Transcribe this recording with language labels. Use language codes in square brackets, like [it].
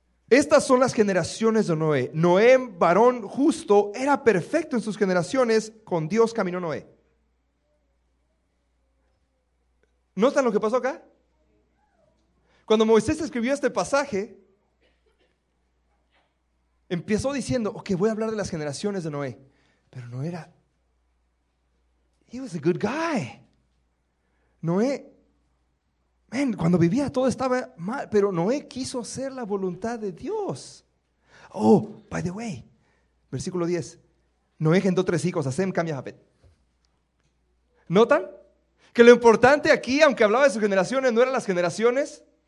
[es] Estas son las generaciones de Noé. Noé, varón justo, era perfecto en sus generaciones, con Dios caminó Noé. ¿Notan lo que pasó acá? Cuando Moisés escribió este pasaje, empezó diciendo, ok, voy a hablar de las generaciones de Noé. Pero Noé era, [en] he was a good guy. [es] Noé, [en] man, [es] cuando vivía todo estaba mal, pero Noé quiso hacer la voluntad de Dios. [en] Oh, by the way, [es] versículo 10, Noé engendró tres hijos, a Sem, Cam y a Japhet. ¿Notan? Que lo importante aquí, aunque hablaba de sus generaciones, no eran las generaciones.